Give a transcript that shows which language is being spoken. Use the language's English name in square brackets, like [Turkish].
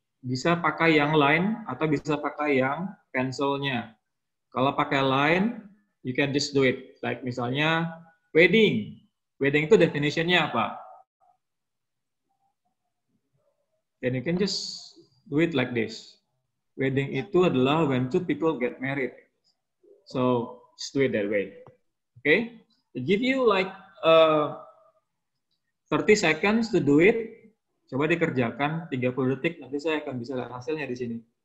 [Indonesian] Bisa pakai yang line atau bisa pakai yang pencil-nya. Kalau pakai [English] line, you can just do it. Like [Indonesian] misalnya [English] wedding. [Indonesian] Wedding itu definisinya apa? [English] And you can just do it like this. Wedding [Indonesian] itu adalah [English] when two people get married. So, just do it that way. Okay? I give you like 30 seconds to do it. [Indonesian] Coba dikerjakan 30 detik, nanti saya akan bisa lihat hasilnya di sini.